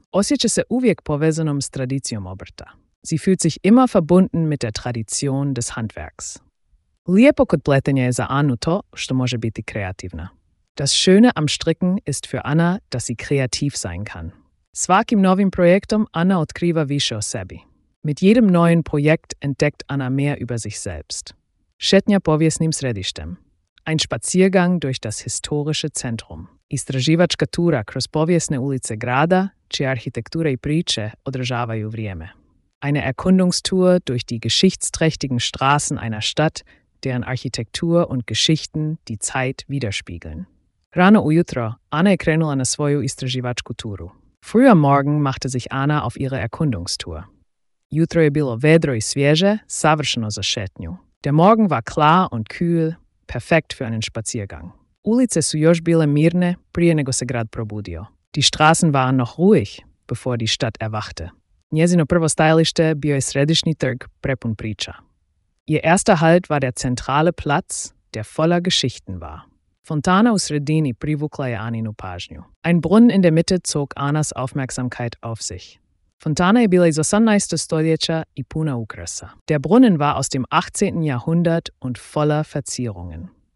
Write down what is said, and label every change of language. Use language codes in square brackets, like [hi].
[hr] Osjeća se uvijek povezanom s tradicijom obrta. [de] Sie fühlt sich immer verbunden mit der Tradition des Handwerks. [hr] Lijepo kod pletenja je za Anu to što može biti kreativna. [de] Das Schöne am Stricken ist für Anna, dass sie kreativ sein kann. [hr] Svakim novim projektom Anna otkriva više o sebi. [de] Mit jedem neuen Projekt entdeckt Anna mehr über sich selbst. [hr] Šetnja povijesnim središtem. [de] Ein Spaziergang durch das historische Zentrum. [hr] Istraživačka tura kroz povijesne ulice grada, čija arhitektura i priče održavaju vrijeme. [de] eine Erkundungstour durch die geschichtsträchtigen Straßen einer Stadt, deren Architektur und Geschichten die Zeit widerspiegeln. [hr] Rano ujutro, Ana je krenula na svoju istraživačku turu. [de] Früh am Morgen machte sich Ana auf ihre Erkundungstour. [hr] Jutro je bilo vedro i svježe, savršeno za šetnju. [de] Der Morgen war klar und kühl, perfekt für einen Spaziergang. [hr] Ulice su još bile mirne, prije nego se grad probudio. [de] Die Straßen waren noch ruhig, bevor die Stadt erwachte. [hr] Njezino prvo stajalište bio je središnji trg prepun priča. [de] Ihr erster Halt war der zentrale Platz, der voller Geschichten war. [hr] Fontana u sredini privukla je Aninu pažnju. [de] Ein Brunnen in der Mitte zog Anas Aufmerksamkeit auf sich. [hr] Fontana je bila iz 18. stoljeća i puna ukrasa. [de] Der Brunnen war aus dem 18. Jahrhundert und voller Verzierungen.